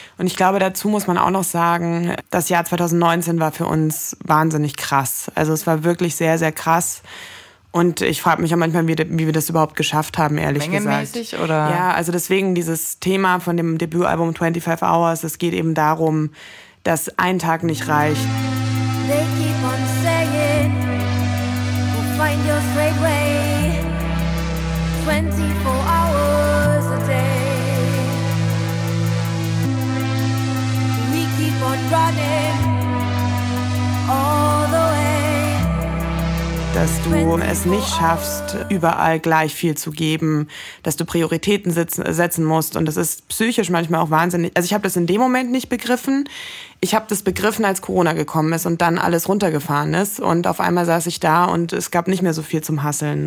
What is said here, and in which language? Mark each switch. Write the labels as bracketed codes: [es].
[de] Und ich glaube, dazu muss man auch noch sagen, das Jahr 2019 war für uns wahnsinnig krass. Also es war wirklich sehr, sehr krass. Und ich frage mich auch manchmal, wie wir das überhaupt geschafft haben, ehrlich gesagt. Mengenmäßig oder? Ja, also deswegen dieses Thema von dem Debütalbum 25 Hours, es geht eben darum, dass ein Tag nicht reicht. [en] They keep on saying, we'll find your straight way, 24 hours a day. We keep on running, all the way. [de] Dass du es nicht schaffst, überall gleich viel zu geben, dass du Prioritäten setzen musst. Und das ist psychisch manchmal auch wahnsinnig. Also ich habe das in dem Moment nicht begriffen. Ich habe das begriffen, als Corona gekommen ist und dann alles runtergefahren ist. Und auf einmal saß ich da und es gab nicht mehr so viel zum Hasseln.